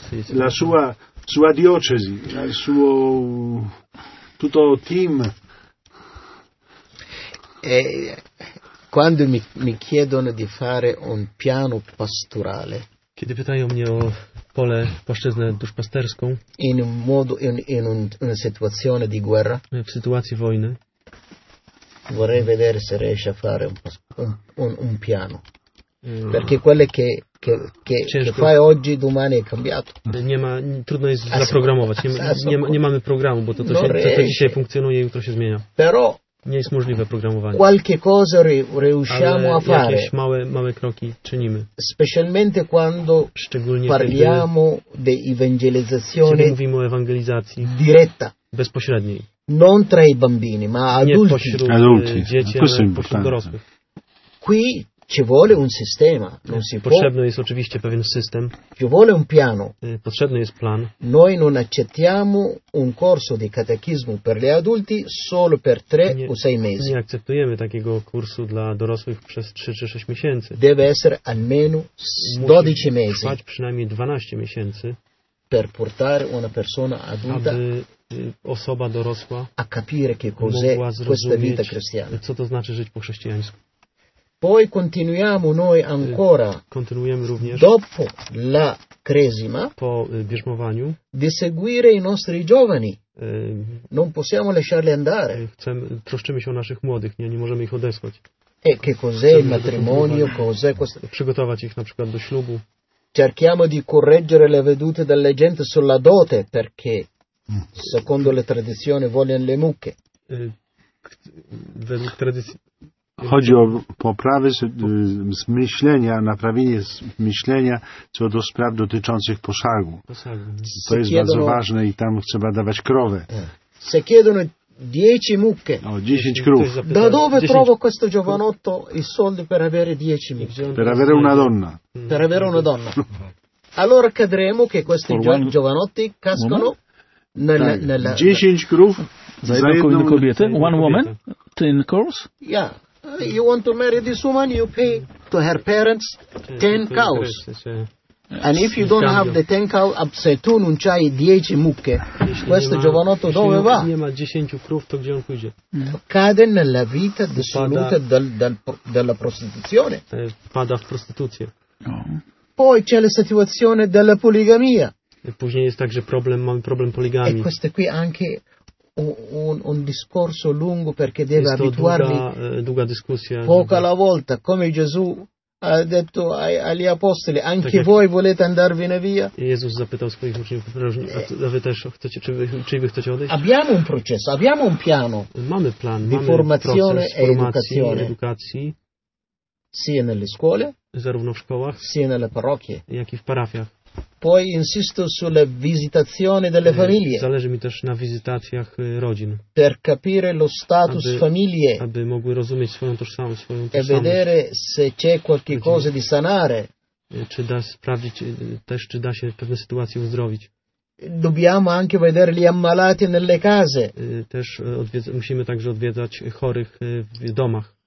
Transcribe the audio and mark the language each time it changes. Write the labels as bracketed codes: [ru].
[it] la sua diocesi, il suo tutto team. Quando mi chiedono di fare un piano pastorale, [pl] kiedy pytają mnie o pole, płaszczyznę duszpasterską. [it] In situazione di guerra. [pl] W sytuacji wojny. [it] Vorrei vedere se riesce a fare un piano. Perché quelle che fai oggi, domani è cambiato. [pl] Nie ma, trudno jest zaprogramować. Nie mamy programu, bo to dzisiaj funkcjonuje i jutro się zmienia. [it] Però [pl] nie jest możliwe programowanie. [it] Qualche cosa riusciamo [pl] ale [it] a fare. [pl] Jakieś małe kroki czynimy. [it] Specialmente quando [pl] szczególnie [it] parliamo di evangelizzazione, [pl] mówimy o ewangelizacji [it] diretta, [pl] bezpośredniej. [it] Non tra i bambini, ma adulti. Adulti. [pl] Dzieci, pośród dorosłych. [it] Qui ci vuole un sistema. Non si [pl] potrzebny [it] può. [pl] Jest oczywiście pewien system. [it] Ci vuole un piano. [pl] Potrzebny jest plan. [it] Noi non accettiamo un corso di catechismo per gli adulti solo per 3 o 6 mesi. [pl] Nie akceptujemy takiego kursu dla dorosłych przez 3 czy 6 miesięcy. [it] Deve essere almeno 12 mesi. [pl] Musi trwać przynajmniej 12 miesięcy. [it] Per portare una persona adulta. [pl] Osoba dorosła. [it] A capire che cos'è questa vita cristiana. [pl] Co to znaczy żyć po chrześcijańsku. [it] Poi continuiamo noi ancora. [pl] Kontynuujemy również [it] dopo la cresima, [pl] po bierzmowaniu, [it] di seguire i nostri giovani. Non possiamo lasciarli andare. [pl] Troszczymy się o naszych młodych, nie możemy ich odesłać. [it] E che cos'è il matrimonio, cos'è questo? [pl] Przygotować ich na przykład do ślubu. [it] Cerchiamo di correggere le vedute della gente sulla dote, perché secondo le tradizioni vogliono le mucche. [pl] Według tradycji. Chodzi o poprawę z myślenia, naprawienie z myślenia co do spraw dotyczących poszagu. To jest bardzo ważne i tam trzeba dawać krowę. [it] Se chiedono 10 mucche. [pl] O, 10 krów. [it] Da dove trovo questo giovanotto i soldi per avere 10 mucche? Per avere una donna. Per avere una donna. Allora cadremo che questi giovanotti cascano nella [pl] 10 krów za jedną kobietę? [en] One woman? 10 crows? Yeah. You want to marry this woman, you pay to her parents 10 cows. And if you don't have the 10 cows, [it] se tu non c'hai 10 mucche, questo giovanotto dove va? [pl] Nie ma 10 krów, to gdzie on pójdzie? [it] Cade nella vita dissoluta della prostituzione. [pl] Pada w prostytucję. [it] Poi c'è la situazione della poligamia. [pl] Później jest także problem, mamy problem poligamii. [it] E questo qui anche un discorso lungo perché deve abituarli. Lunga discussione. Poco alla volta, come Gesù ha detto agli apostoli, anche [pl] tak [it] voi volete andarvene via? Gesù ha chiesto ai suoi discepoli, a voi [pl] też chcecie, czy wy chcecie odejść? [it] Abbiamo un processo, abbiamo un piano. [pl] Mamy plan, [it] di formazione e educazione. Sia nelle scuole, [pl] zarówno w szkołach, [it] sia nelle parrocchie, [pl] jak i w parafiach. [it] Poi insisto sulle visitazioni delle famiglie. [pl] Zależy mi też na wizytacjach rodzin. [it] Per capire lo status famiglie. [pl] Aby mogły rozumieć swoją tożsamość, swoją tożsamość. [it] E vedere se c'è qualche cosa di sanare. [pl] Czy da sprawdzić też, czy da się pewne sytuacje uzdrowić. [it] Dobbiamo anche vedere gli ammalati nelle case. [pl] Też musimy także odwiedzać chorych w domach.